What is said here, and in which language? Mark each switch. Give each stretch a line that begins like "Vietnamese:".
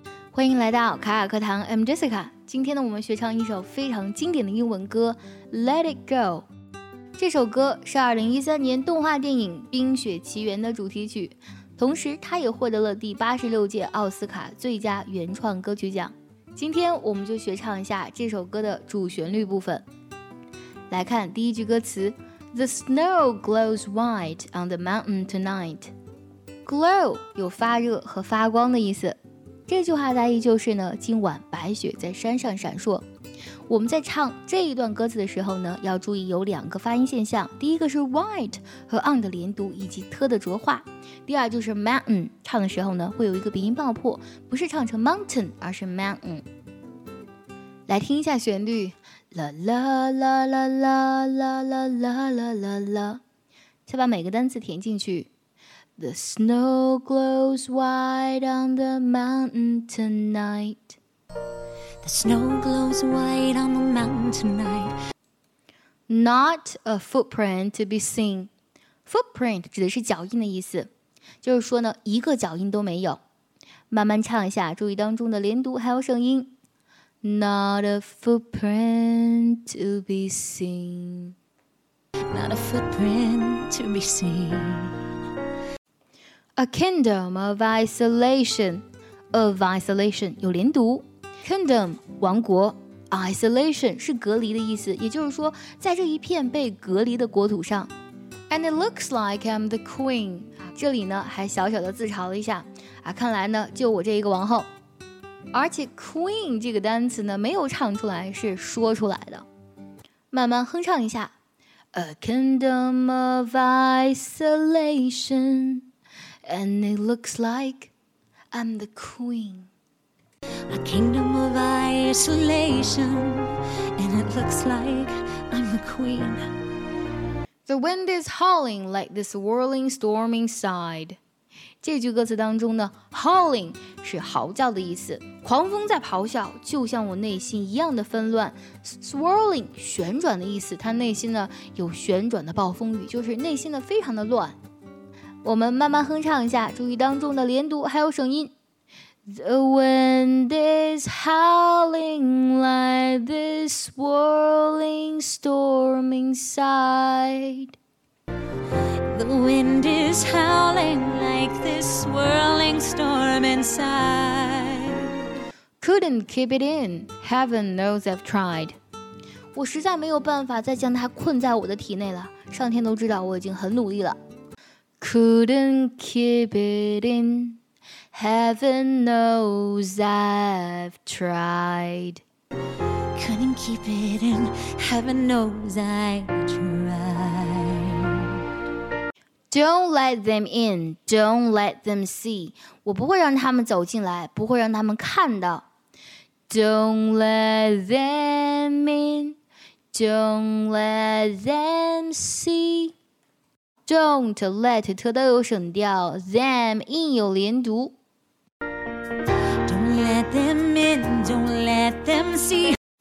Chinese: 欢迎来到卡卡课堂
English: I'm Jessica。
Chinese: 今天呢，我们学唱一首非常经典的英文歌 Let It Go。这首歌是2013年动画电影《冰雪奇缘》的主题曲，同时它也获得了第86届奥斯卡最佳原创歌曲奖。今天我们就学唱一下这首歌的主旋律部分。来看第一句歌词，
English: The snow glows white on the mountain tonight。
Chinese: Glow 有发热和发光的意思，这句话大意就是呢，今晚白雪在山上闪烁。我们在唱这一段歌词的时候呢，要注意有两个发音现象，第一个是 white 和 on 的连读以及 t 的浊化，第二就是 mountain 唱的时候呢，会有一个鼻音爆破，不是唱成 mountain 而是 mountain。来听一下旋律，啦啦啦啦啦啦啦啦啦啦啦，再把每个单词填进去。
English: The snow glows white on the mountain tonight. The snow glows white on the mountain tonight. Not a footprint to be seen.
Chinese: Footprint 指的是脚印的意思，就是说呢，一个脚印都没有。慢慢唱一下，注意当中的连读还有声音。
English: Not a footprint to be seen. Not a footprint to be seen. A kingdom of isolation, of isolation
Chinese: 有连读。 Kingdom 王国， isolation 是隔离的意思，也就是说在这一片被隔离的国土上。
English: And it looks like I'm the queen，
Chinese: 这里呢还小小的自嘲了一下啊，看来呢就我这一个王后。而且 queen 这个单词呢没有唱出来，是说出来的，慢慢哼唱一下。
English: A kingdom of isolationAnd it looks like I'm the queen. A kingdom of isolation. And it looks like I'm the queen. The wind is howling like this whirling storm inside.
Chinese: 这句歌词当中呢 ,howling 是嚎叫的意思。狂风在咆哮，就像我内心一样的纷乱。 Swirling, 旋转的意思，他内心呢有旋转的暴风雨，就是内心的非常的乱。我们慢慢哼唱一下，注意当中的连读还有声音。
English: The wind is howling like this whirling storm inside. The wind is howling like this whirling storm inside. Couldn't keep it in, heaven knows I've tried.
Chinese: 我实在没有办法再将它困在我的体内了，上天都知道我已经很努力了。
English: Couldn't keep it in, heaven knows I've tried. Couldn't keep it in, heaven knows I've tried. Don't let them in, don't let them see.
Chinese: 我不会让他们走进来，不会让他们看到。
English: Don't let them in, don't let them see. Don't let it
Chinese: 都有省掉
English: them in
Chinese: 有连读。
English: Don't let them in, don't let them see.